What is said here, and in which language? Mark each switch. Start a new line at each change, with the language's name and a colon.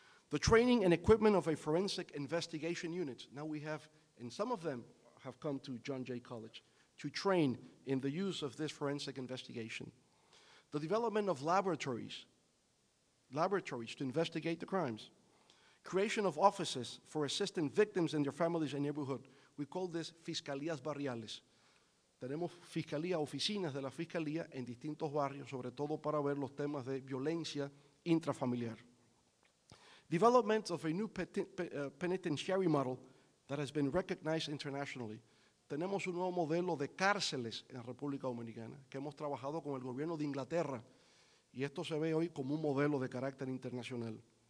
English: The training and equipment of a forensic investigation unit, now we have, and some of them have come to John Jay College, to train in the use of this forensic investigation. The development of laboratories to investigate the crimes. Creation of offices for assisting victims and their families and neighborhood. We call this fiscalías barriales.
Spanish: Tenemos fiscalía, oficinas de la fiscalía en distintos barrios, sobre todo para ver los temas de violencia intrafamiliar.
English: Development of a new penitentiary model that has been recognized internationally.
Spanish: Tenemos un nuevo modelo de cárceles en República Dominicana que hemos trabajado con el gobierno de Inglaterra y esto se ve hoy como un modelo de carácter internacional.